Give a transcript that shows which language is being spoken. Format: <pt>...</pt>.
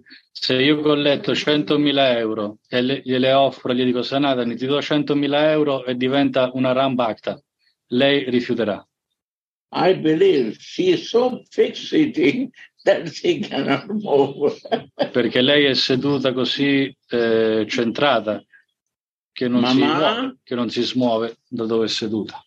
<it>Se io colletto 100.000 euro e gliele offro, gli dico Sanatani, ti do 100.000 euro e diventa una Rambhakta, lei rifiuterà.</it> <en>I believe she is so fixed that she cannot move.</en> <it>Perché lei è seduta così centrata che non, mama, si, che non si smuove da dove è seduta.</it>